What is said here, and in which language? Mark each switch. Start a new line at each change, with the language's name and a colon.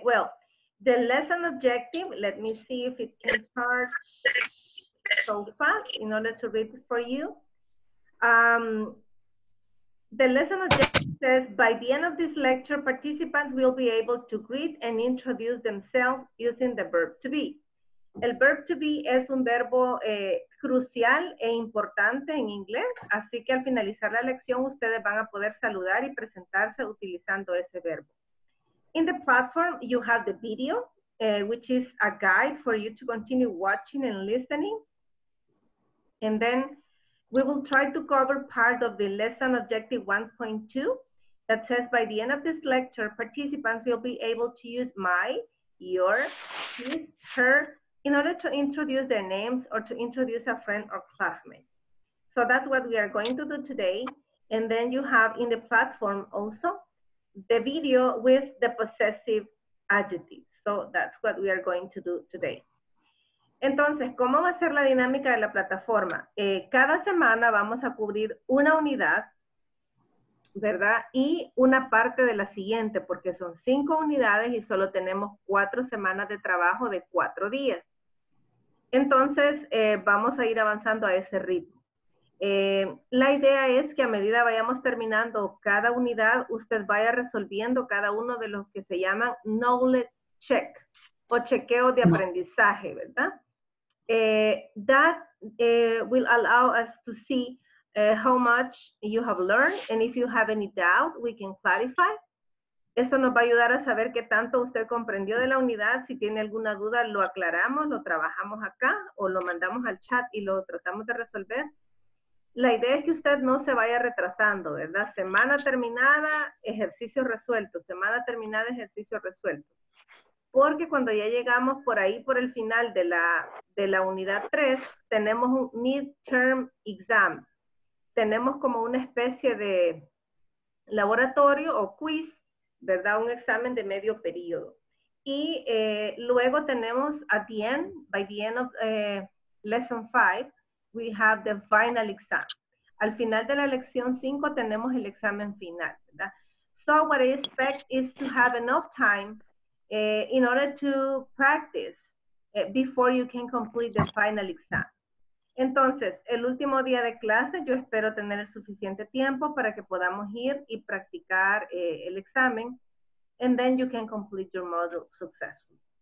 English: Well, the lesson objective, let me see if it can start so fast in order to read it for you. The lesson objective says, by the end of this lecture, participants will be able to greet and introduce themselves using the verb to be.
Spanish: El verb to be es un verbo crucial e importante en inglés, así que al finalizar la lección, ustedes van a poder saludar y presentarse utilizando ese verbo.
English: In the platform, you have the video, which is a guide for you to continue watching and listening. And then we will try to cover part of the lesson objective 1.2 that says by the end of this lecture, participants will be able to use my, your, his, her in order to introduce their names or to introduce a friend or classmate. So that's what we are going to do today. And then you have in the platform also the video with the possessive adjectives. So that's what we are going to do today.
Spanish: Entonces, ¿cómo va a ser la dinámica de la plataforma? Cada semana vamos a cubrir una unidad, ¿verdad? Y una parte de la siguiente, porque son 5 unidades y solo tenemos 4 semanas de trabajo de 4 días. Entonces, vamos a ir avanzando a ese ritmo. La idea es que a medida vayamos terminando cada unidad, usted vaya resolviendo cada uno de los que se llaman knowledge check o chequeo de aprendizaje, ¿verdad?
English: That will allow us to see how much you have learned, and if you have any doubt, we can clarify.
Spanish: Esto nos va a ayudar a saber qué tanto usted comprendió de la unidad. Si tiene alguna duda, lo aclaramos, lo trabajamos acá, o lo mandamos al chat y lo tratamos de resolver. La idea es que usted no se vaya retrasando, ¿verdad? Semana terminada, ejercicio resuelto. Semana terminada, ejercicio resuelto. Porque cuando ya llegamos por ahí, por el final de la unidad 3, tenemos un midterm exam. Tenemos como una especie de laboratorio o quiz, ¿verdad? Un examen de medio periodo. Y luego tenemos
English: at the end, by the end of lesson 5, we have the final exam.
Spanish: Al final de la lección 5 tenemos el examen final, ¿verdad?
English: So what I expect is to have enough time in order to practice before you can complete the final exam.
Spanish: Entonces, el último día de clase, yo espero tener suficiente tiempo para que podamos ir y practicar el examen,
English: and then you can complete your module successfully.